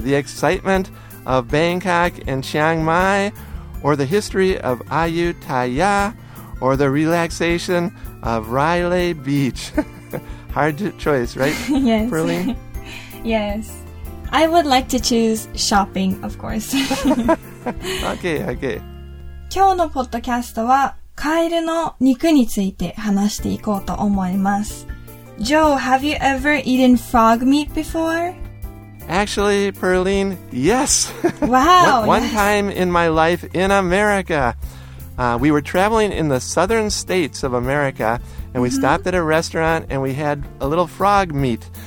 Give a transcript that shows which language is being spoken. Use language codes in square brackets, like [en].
[en] The excitement of Bangkok and Chiang Mai, or the history of Ayutthaya, or the relaxation of Rai Lay Beach? Hard choice, right? Yes. Perlene? Yes. I would like to choose shopping, of course. okay, okay. [ja] 今日のポッドキャストはカエルの肉について話していこうと思います。 [en] Joe, have you ever eaten frog meat before? Actually, Pearline, yes. Wow. One yes. time in my life in America. We were traveling in the southern states of America, and we stopped at a restaurant, and we had a little frog meat.